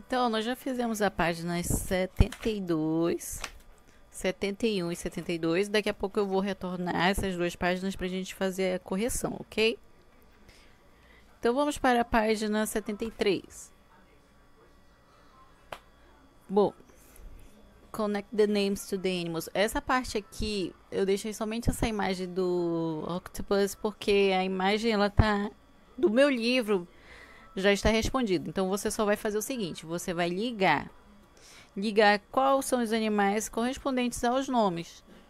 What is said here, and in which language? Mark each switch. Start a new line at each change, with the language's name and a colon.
Portuguese: Nós já fizemos a página 72, 71 e 72. Daqui a pouco eu vou retornar essas duas páginas para a gente fazer a correção, ok? Então vamos para a página 73.
English: Bom, connect the names to the animals.
Portuguese: Essa parte aqui, eu deixei somente essa imagem do octopus, porque a imagem ela tá do meu livro. Já está respondido. Então, você só vai fazer o seguinte. Você vai ligar. Ligar quais são os animais correspondentes aos nomes.